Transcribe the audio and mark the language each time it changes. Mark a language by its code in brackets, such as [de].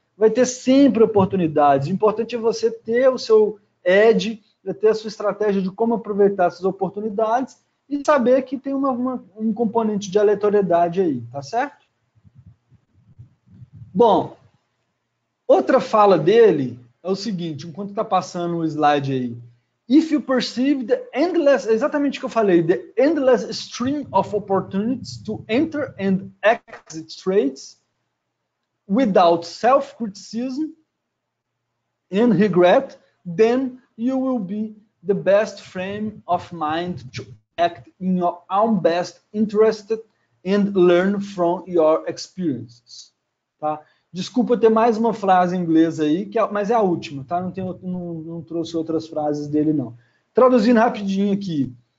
[pt] Vai ter sempre oportunidades. O importante é você ter o seu edge, ter a sua estratégia de como aproveitar essas oportunidades e saber que tem um componente de aleatoriedade aí, tá certo? Bom, outra fala dele é o seguinte, enquanto está passando o slide aí. [en] If you perceive the endless, [pt] exatamente o que eu falei, [en] the endless stream of opportunities to enter and exit trades without self-criticism and regret, then you will be the best frame of mind to act in your own best interest and learn from your experiences. [pt] Tá? Desculpa ter mais uma frase em inglês aí, mas é a última, tá? Não tem, não, não trouxe outras frases dele, não. Traduzindo rapidinho aqui.